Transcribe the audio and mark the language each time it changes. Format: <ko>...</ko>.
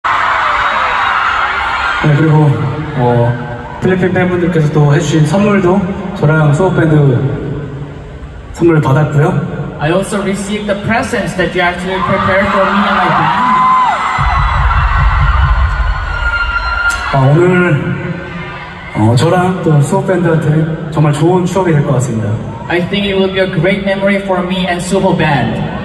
<ko>네, 그리고 필리핀 팬분들께서 또 해주신 선물도 저랑 수호 밴드 선물을 받았고요.</ko> <en>I also received the presents that you actually prepared for me and my band.</en> <ko>아, 오늘 저랑 또 수호 밴드한테 정말 좋은 추억이 될 것 같습니다.</ko> <en>I think it will be a great memory for me and Suho band.</en>